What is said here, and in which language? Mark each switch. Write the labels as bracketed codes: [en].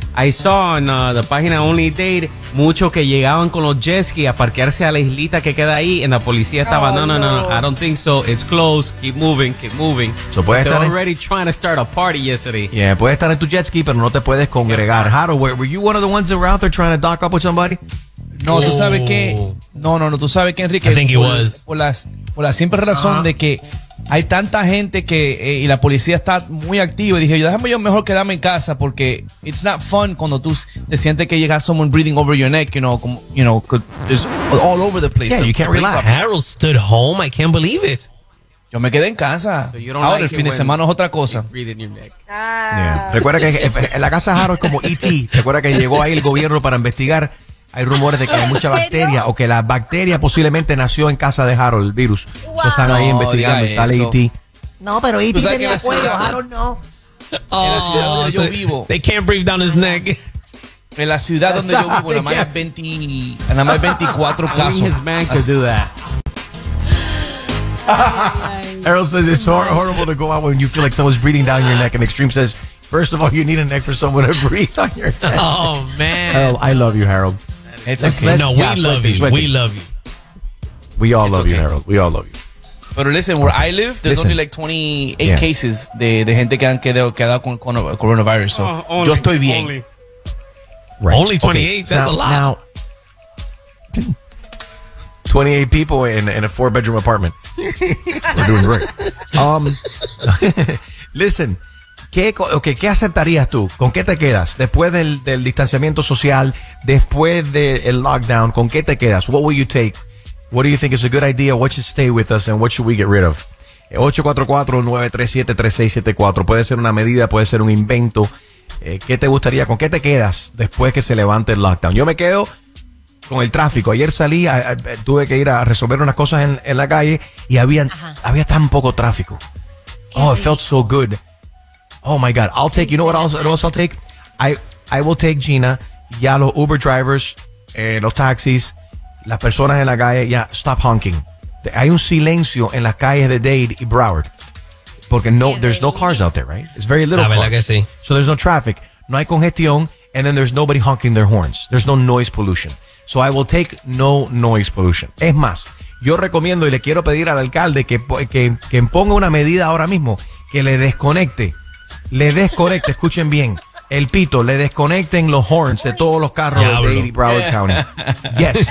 [en] I saw on the [es] página Only Date muchos que llegaban con los jet skis a parquearse a la islita que queda ahí, y la policía estaba, no, [en] I don't think so, it's closed, keep moving. [es] So puede estar [en] already trying to start a party yesterday. [es] Yeah, puedes estar en tu jet ski, pero no te puedes congregar. [en] Yeah. Harold, were you one of the ones that were out there trying to dock up with somebody? [es] No, tú sabes que, tú sabes que, Enrique, [en] I think he was. [es] Por la simple razón de que hay tanta gente que y la policía está muy activa. Y dije, déjame yo mejor quedarme en casa porque [en] it's not fun [es] cuando tú te sientes que llega [en] someone breathing over your neck, there's all over the place. Yeah, you can't relax. Harold stood home. I can't believe it. [es] Yo me quedé en casa. So ahora like el fin de semana es otra cosa. Recuerda que en la casa de Harold es como E.T. Recuerda que llegó ahí el gobierno para investigar. Hay rumores de que hay mucha bacteria o que la bacteria posiblemente nació en casa de Harold, el virus. Wow. Están ahí investigando, sale E.T. No, pero E.T. tenía cuello, Harold no. En la ciudad donde yo vivo. [en] They can't breathe down his neck. [es] En la ciudad donde yo vivo, nada más hay 24 casos. [en] Only his man could do that. Harold says it's horrible to go out when you feel like someone's breathing down your neck. And Extreme says, first of all, you need a neck for someone to breathe on your neck. Oh, man. Harold, I love you, Harold. It's okay. No, we love you. We all love you, Harold. We all love you. But listen, where I live, there's only like 28 cases [es] de gente que han quedado con coronavirus. So, yo estoy bien. [en] Only 28? That's a lot. Now, 28 people in a four-bedroom apartment. We're doing great. listen. [es] ¿Qué aceptarías tú? ¿Con qué te quedas? Después del distanciamiento social, después del lockdown, ¿con qué te quedas? [en] What will you take? What do you think is a good idea? What should stay with us and what should we get rid of? 844-937-3674. [es] Puede ser una medida, puede ser un invento. ¿Qué te gustaría? ¿Con qué te quedas después que se levante el lockdown? Yo me quedo con el tráfico. Ayer salí, tuve que ir a resolver unas cosas en la calle y había tan poco tráfico. [en] Oh, it felt so good. Oh my God, I'll take, you know what else I'll take? I will take, [es] Gina, ya los Uber drivers, los taxis, las personas en la calle, ya, [en] stop honking. [es] Hay un silencio en las calles de Dade y Broward. Porque no, [en] there's no cars out there, right? It's very little cars. [es] La verdad que sí. [en] So there's no traffic, [es] no hay congestión, [en] and then there's nobody honking their horns. There's no noise pollution. So I will take no noise pollution. [es] Es más, yo recomiendo y le quiero pedir al alcalde que ponga una medida ahora mismo, que le desconecte. Le desconecte, escuchen bien, el pito, le desconecten los horns de todos los carros de Dade y Broward County. Yes.